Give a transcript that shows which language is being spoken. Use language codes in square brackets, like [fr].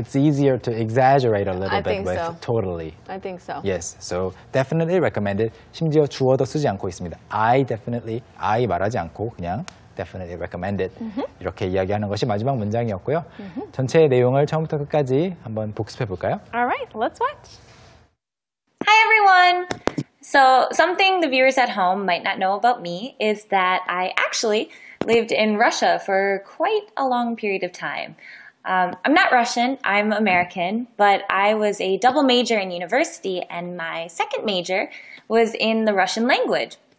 [en] It's easier to exaggerate a little bit with totally. I think so. Yes. So definitely recommended. [ko] 심지어 주어도 쓰지 않고 있습니다. [en] I definitely, I [ko] 말하지 않고 그냥 [en] definitely recommended. Mm-hmm. [ko] 이렇게 이야기하는 것이 마지막 문장이었고요. Mm-hmm. 전체의 내용을 처음부터 끝까지 한번 복습해 볼까요? [en] All right. Let's watch. Hi, everyone. So something the viewers at home might not know about me is that I actually lived in Russia for quite a long period of time. I'm not Russian, I'm American, but I was a double major in university and my second major was in the Russian language.